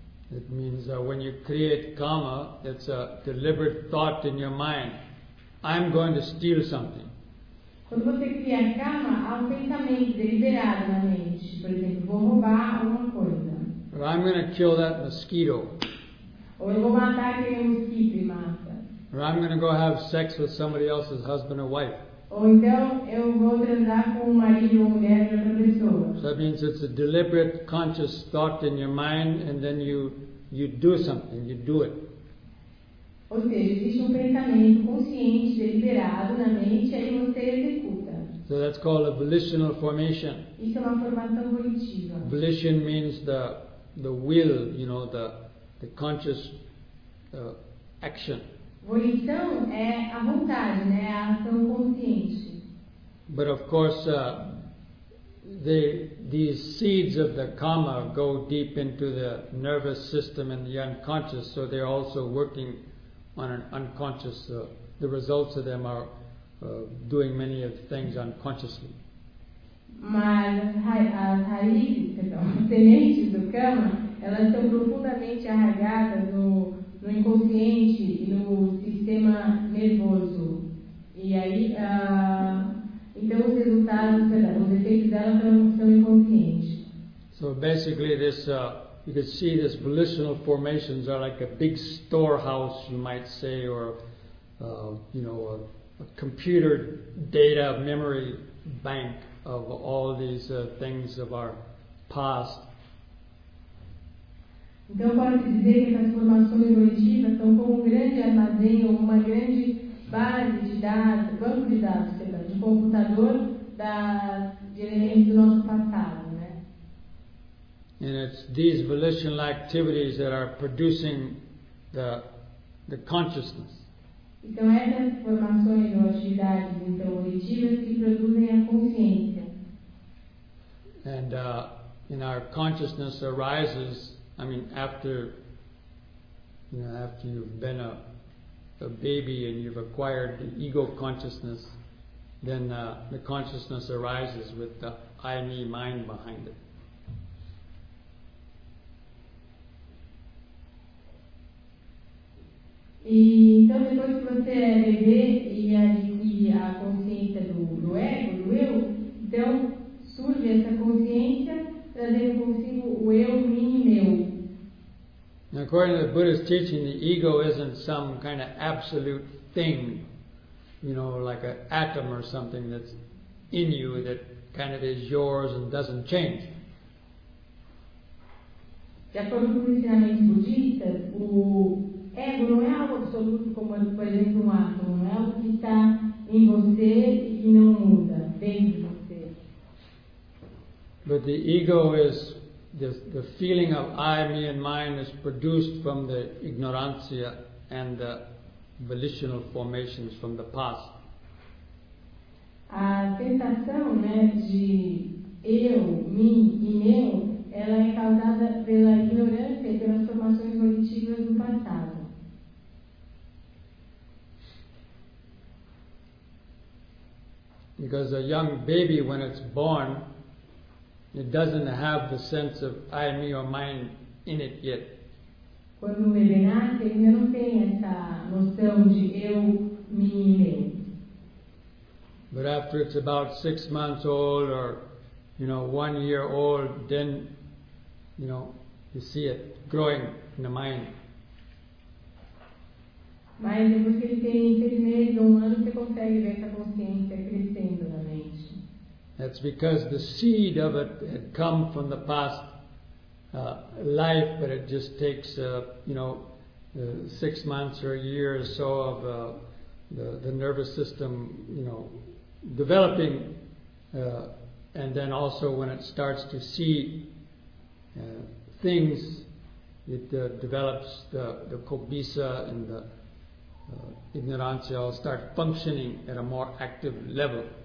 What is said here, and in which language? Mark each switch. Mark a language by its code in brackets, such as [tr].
[en] It means when you create karma, it's a deliberate thought in your mind. I'm going to steal something. [pt] Quando você cria karma, há um pensamento deliberado na mente. Por exemplo, vou roubar alguma coisa. [en] Or I'm going to kill that mosquito. [pt] Ou eu vou matar aquele mosquito e mata. [en] Or I'm going to go have sex with somebody else's husband or wife. [pt] Ou então eu vou transar com um marido ou mulher de outra pessoa. [en] So that means it's a deliberate, conscious thought in your mind, and then you do something, you do it. [pt] Ou seja, existe um pensamento consciente, deliberado na mente, aí você executa. [en] So that's called a volitional formation. [pt] Isso é uma formação volitiva. [en] Volition means the will, the conscious action. [pt] Volição é a vontade, né? A ação consciente. [en] But of course, these seeds of the karma go deep into the nervous system and the unconscious, so they're also working on an unconscious, the results of them are doing many of the things unconsciously. [pt] Mas as raízes do karma, elas estão profundamente arraigadas no inconsciente e no sistema nervoso. E aí, então os resultados, os efeitos dela são inconscientes. [en] So basically this you can see this volitional formations are like a big storehouse, you might say, or a computer data memory bank of all these things of our past. [pt] Então pode-se dizer que essas formações volitivas são como um grande armazém ou uma grande base de dados, banco de dados, de computador de elementos do nosso passado. [en] And it's these volitional activities that are producing the consciousness. [pt] Então essas formações ou atividades então volitivas que produzem a consciência. [en] And in our consciousness arises, after you've been a baby and you've acquired the ego consciousness, then the consciousness arises with the I, me, mind behind it. [pt] E então depois que você é bebê e adquire a consciência do ego, do eu, então surge essa consciência trazendo consigo o eu, mim e meu. [en] Now, according to the Buddhist teaching, the ego isn't some kind of absolute thing, like an atom or something that's in you that kind of is yours and doesn't change. [pt] De acordo com os ensinamentos budistas, o ego não é algo absoluto como, por exemplo, um átomo. Não é algo que está em você e que não muda dentro de você. [en] But the ego is the feeling of I, me and mine is produced from the ignorancia and the volitional formations from the past. [pt] A sensação, de eu, mim e meu, ela é causada pela ignorância e pelas formações volitivas do passado. [en] Because a young baby, when it's born, it doesn't have the sense of I, me, or mine in it yet. [pt] Quando o bebê nasce, ele não tem essa noção de eu, mim e meu. [en] But after it's about 6 months old or, you know, 1 year old, then, you know, you see it growing in the mind. [pt] Mas depois que ele tem seis meses ou 1 ano, você consegue ver essa consciência crescendo na mente. [en] That's because the seed of it had come from the past life, but it just takes, you know, 6 months or a year or so of the nervous system, you know, developing, and then also when it starts to see things, it develops the cobiça and the ignorancia will start functioning at a more active level.